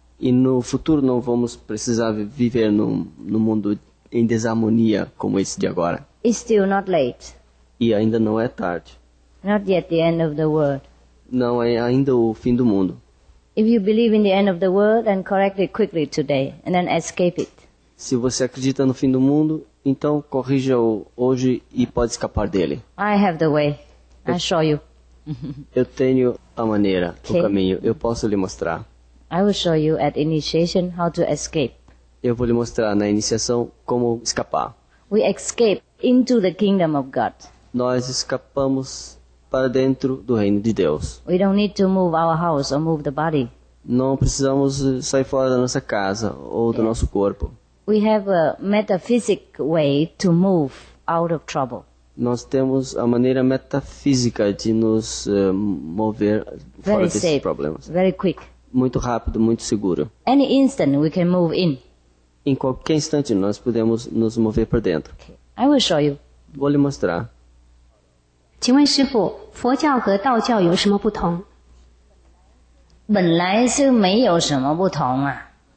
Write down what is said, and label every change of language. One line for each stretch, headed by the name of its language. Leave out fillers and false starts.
Portuguese: E no futuro não vamos precisar viver no mundo em desarmonia como esse de agora.
English: It's still not late.
Portuguese: E ainda não é tarde.
English: Not yet the end of the world.
Portuguese: Não é ainda o fim do mundo.
English: If you believe in the end of the world, then correct it quickly today and then escape it.
Portuguese: Se você acredita no fim do mundo, então corrija-o hoje e pode escapar dele.
English: I have the way. I show you.
Portuguese: Eu tenho a maneira, okay. O caminho. Eu posso lhe mostrar.
English: I will show you at initiation how to escape.
Portuguese: Eu vou lhe mostrar na iniciação como escapar.
English: We escape into the kingdom of God.
Portuguese: Nós escapamos para dentro do reino de Deus.
English: We don't need to move our house or move the body.
Portuguese: Não precisamos sair fora da nossa casa ou do nosso corpo.
English: We have a metaphysic way to move out of trouble.
Portuguese: Nós temos a maneira metafísica de nos mover
English: very
Portuguese: fora
English: safe,
Portuguese: desses problemas.
English: Very quick.
Portuguese: Muito rápido, muito seguro.
English: Any instant we can move in.
Portuguese: Em qualquer instante nós podemos nos mover para dentro.
English: Okay. I will show you.
Portuguese: Vou lhe mostrar.
Chinese: 请问师父, 佛教和道教有什么不同? 本来是没有什么不同啊。